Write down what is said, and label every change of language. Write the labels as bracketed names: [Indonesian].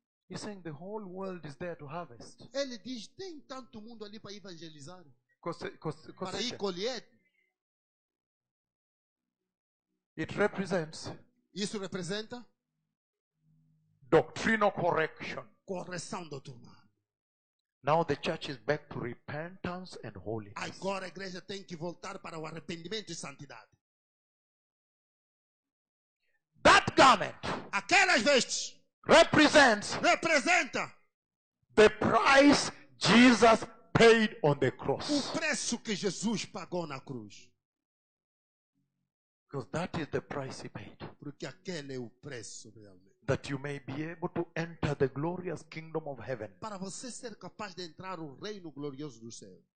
[English] He's saying the whole world is there to harvest. [Portuguese] Ele diz, tem tanto mundo ali para evangelizar. [Spanish] Cosecha. [Portuguese] Para ir colher. [English] It represents, [Portuguese] isso representa [English] doctrinal correction. [Portuguese] Correção doutrinal. [English] Now the church is back to repentance and holiness. [Portuguese] Agora a igreja tem que voltar para o arrependimento e santidade. [English] That garment, [Portuguese] aquelas vestes, representa [English] the price Jesus paid on the cross. [Portuguese] O preço que Jesus pagou na cruz. [English] Because that is the price he paid. [Portuguese] Porque aquele é o preço realmente. [English] That you may be able to enter the glorious kingdom of heaven. [Portuguese] Para você ser capaz de entrar no reino glorioso do céu.